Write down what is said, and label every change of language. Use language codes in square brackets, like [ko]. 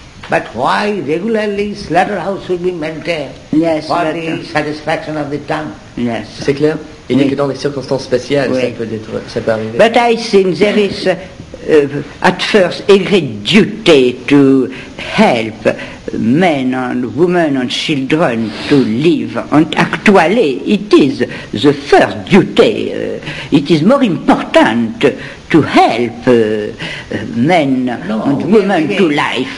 [en] But why regularly slaughterhouse should be maintained for the satisfaction of the tongue? Yes. [fr] C'est clair? Il n'est que dans les circonstances spéciales ça peut être, ça peut arriver. [en] But I think there is at first a great duty to help men and women and children to live. And actually it is the first duty. It is more important to help men and women to life.